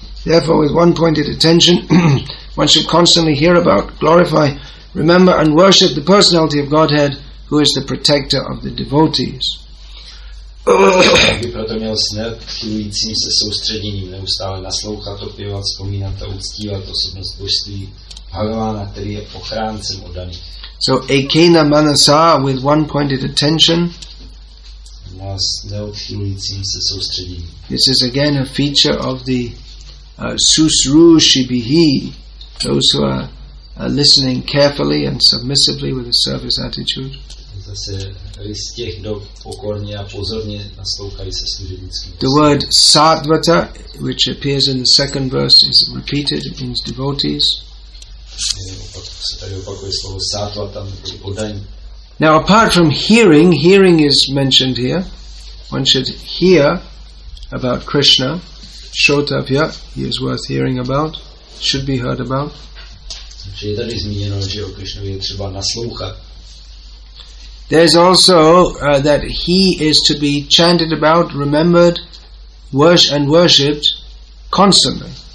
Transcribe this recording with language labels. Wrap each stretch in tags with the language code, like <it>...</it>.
<en>Therefore, with one-pointed attention, one should constantly hear about, glorify, remember, and worship the personality of Godhead, who is the protector of the devotees.</en> <cs>By proto měl s neodchylujícím se soustředěním neustále naslouchat, opěvat, vzpomínat a uctívat osobnost božství Bhagavána, který je ochráncem oddaných.</cs> <en>So,</en> <sa>ekena manasa,</sa> <en>with one-pointed attention,</en> <cs>s neodchylujícím se soustředěním.</cs> <en>This is again a feature of the susrushibihi, those who are listening carefully and submissively with a service attitude.</en> <cs>Zase rys těch, kdo pokorně a pozorně naslouchají se služebnickým.</cs> <en>The word sattvata, which appears in the second verse, is repeated, it means devotees.</en> <cs>Se tady opakuje slovo sattvata, nebo oddaní.</cs> <en>Now apart from hearing is mentioned here. One should hear about Krishna. Shrotavya, he is worth hearing about, should be heard about.</en> <cs>Je tady zmíněno, že o Krishnovi je třeba naslouchat.</cs> <en>There's also that he is to be chanted about, remembered, and worshipped constantly.</en>